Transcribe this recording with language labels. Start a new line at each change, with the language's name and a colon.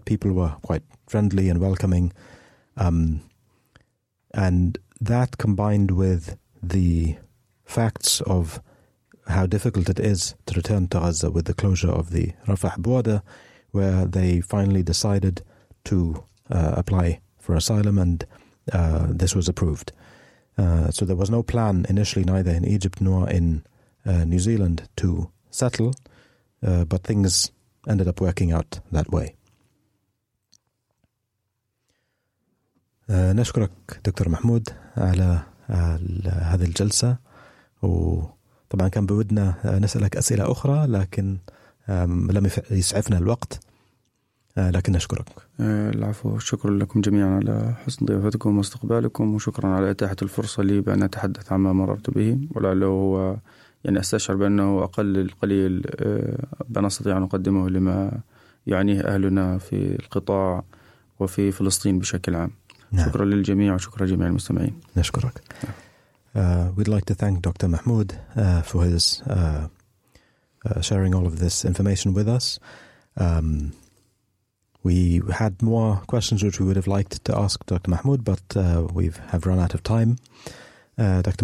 English: People were quite friendly and welcoming. And that combined with the facts of how difficult it is to return to Gaza with the closure of the Rafah border, where they finally decided to apply for asylum, and this was approved. So there was no plan initially, neither in Egypt nor in New Zealand, to settle, but things ended up working out that way.
Arabic: نشكرك دكتور محمود على هذه الجلسة، وطبعا كان بودنا نسألك أسئلة أخرى لكن لم يسعفنا الوقت، لكن نشكرك. العفو، شكرا لكم جميعا على حسن ضيافتكم واستقبالكم، وشكرا على إتاحة الفرصة لي بأن أتحدث عما مررت به، ولعله هو يعني أستشعر بأنه أقل القليل بأن أستطيع أن أقدمه لما يعنيه أهلنا في القطاع وفي فلسطين بشكل عام. نعم. شكرا للجميع وشكرا لجميع المستمعين. نشكرك.
English: We'd like to thank Dr. Mahmoud for his sharing all of this information with us. We had more questions which we would have liked to ask Dr. Mahmoud, but we've run out of time. Dr.